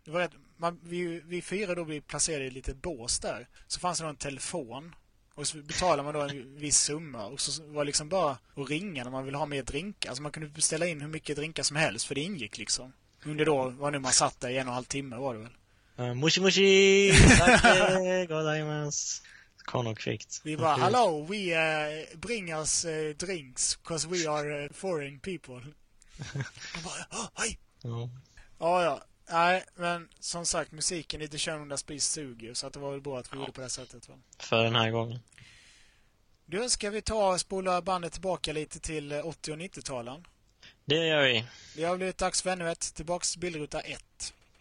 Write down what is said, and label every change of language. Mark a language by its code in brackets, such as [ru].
[sv] Det var rätt, vi fyra då blev placerade i lite bås där. Så fanns det en telefon. Och så betalade man då en viss summa. Och så var det liksom bara att ringa när man ville ha mer drinkar. Alltså man kunde beställa in hur mycket drinkar som helst, för det ingick liksom. Under då var nu man satt där i en och en halv timme, var det väl? Mushi mushi! Tack! Godaimas! Kono kvickt. [en] Vi bara, hello, we bring us drinks, because we are foreign people. [sv] Han bara, hej! Ja. Ja, nej, men som sagt, musiken i The Shown Under Spice suger, så att det var väl bra att vi gjorde på det sättet, va? För den här gången. Då ska vi ta och spola bandet tillbaka lite till 80- och 90-talen. Det gör vi. Det har blivit dags för ännu ett. Tillbaks bildruta 1.